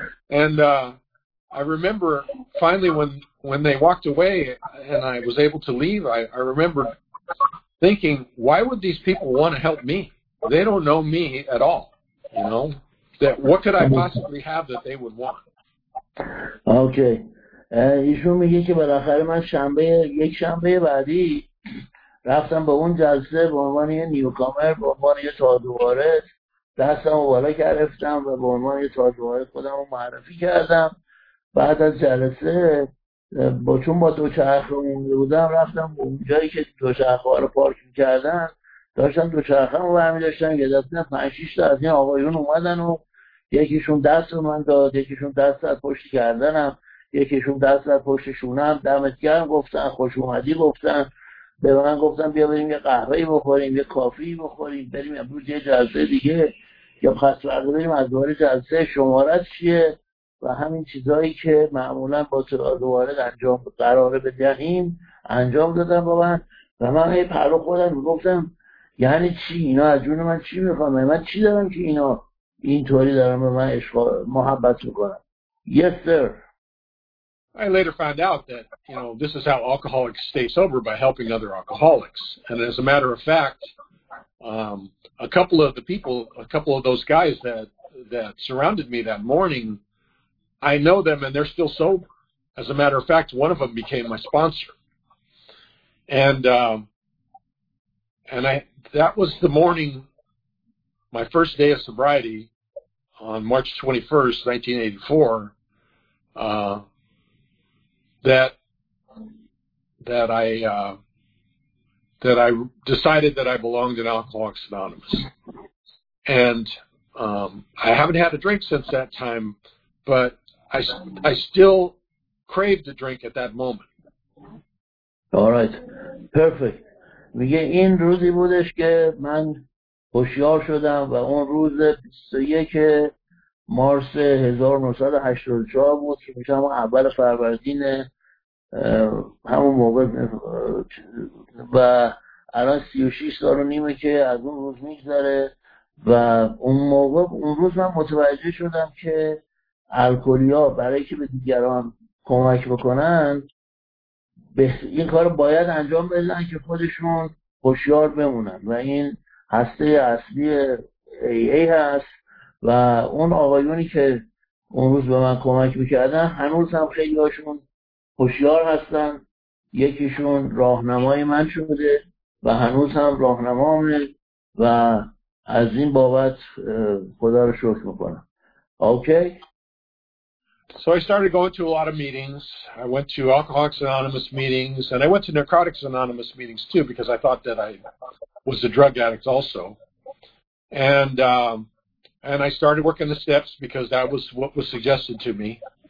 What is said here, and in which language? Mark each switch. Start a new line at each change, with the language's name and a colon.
English: And I remember finally when they walked away and I was able to leave. I remember thinking, why would these people want to help me? They don't know me at all, you know. That what could I possibly have that they would want? Okay.
Persian: ایشون میگه که بالاخره من شنبه یک شنبه بعدی رفتم به اون جلسه به عنوان یه نیوکامر به عنوان یه تازه وارد دستم رو بالا گرفتم و به عنوان یه تازه وارد خودم رو معرفی کردم. بعد از جلسه چون با دوچرخه مونده بودم رفتم به اون جایی که دوچرخه ها رو پارک میکردن داشتم دوچرخه رو برمی داشتم یه دسته 5-6 تا از این آقایون اومدن و یکیشون دست رو من داد یکیشون دست رو پشت کردنم یکیشون دست رو پشت شونم دمت گرم گفتن خوش اومدی گفتن به من گفتن بیا بریم یه قهوه بخوریم یه کافی بخوریم بریم امروز یه جلسه دیگه یا خسته بریم از دوباره جلسه شمارت چیه و همین چیزایی که معمولا با دوباره انجام قرار بدهیم انجام دادن با من و من هی پرو خودم گفتم یعنی چی اینا از جون من چی میخوام من چی دارم که اینا اینطوری دارن به من عشق محبت میکنن.
English: Yes sir. I later found out that, you know, this is how alcoholics stay sober by helping other alcoholics. And as a matter of fact, a couple of those guys that surrounded me that morning, I know them and they're still sober. As a matter of fact, one of them became my sponsor. And that was the morning, my first day of sobriety on March 21st, 1984, that I decided that I belonged in Alcoholics Anonymous. And I haven't had a drink since that time, but I still craved a drink at that moment. All right. Perfect.
Persian: میگه این روزی بودش که من هوشیار شدم و اون روز 21 مارس 1984 بود که میشم اول فروردین همون موقع و الان 36 سال و نیمه که از اون روز میگذره و اون موقع اون روز من متوجه شدم که الکلیا برای که به دیگران کمک بکنن این کار باید انجام بدن که خودشون هوشیار بمونن و این هسته اصلی AA هست و اون آقایونی که اون روز به من کمک میکردن هنوز هم خیلی هاشون هوشیار هستن. یکیشون راهنمای من شده و هنوز هم راهنمامه و از این بابت خدا رو شکر میکنم.
English: Okay. So I started going to a lot of meetings. I went to Alcoholics Anonymous meetings, and I went to Narcotics Anonymous meetings, too, because I thought that I was a drug addict also. And I started working the steps because that was what was suggested to me.